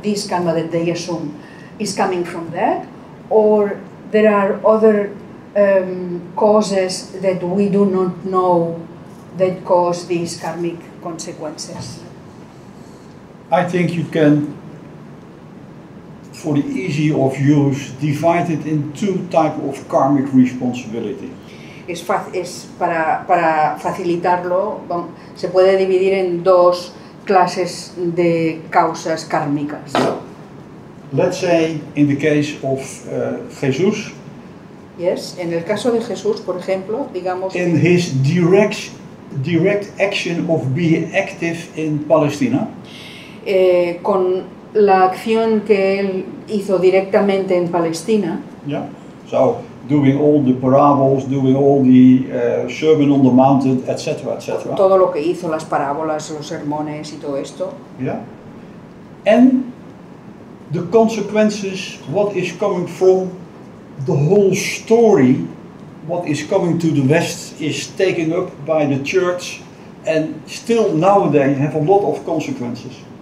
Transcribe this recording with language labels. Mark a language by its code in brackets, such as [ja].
[en] This karma that they assume is coming from that? Or there are other causes that we do not know that cause these karmic consequences? I think you can, for the easy of use, divide it in two types of karmic responsibility. [es] Es para facilitarlo, se puede dividir en dos clases de causas kármicas. [en] Let's say in the case of Jesus. [es] Yes, en el caso de Jesús, por ejemplo, digamos. [en] In his direct action of being active in Palestina. [es] Con la acción que él hizo directamente en Palestina. [en] Yeah, so doing all the parables, doing all the Sermon on the Mountain, etc., etc. [es] Todo lo que hizo, las parábolas, los sermones y todo esto. [en] Yeah, and the consequences, what is coming from the whole story, what is coming to the West, is taken up by the church, and still nowadays have a lot of consequences.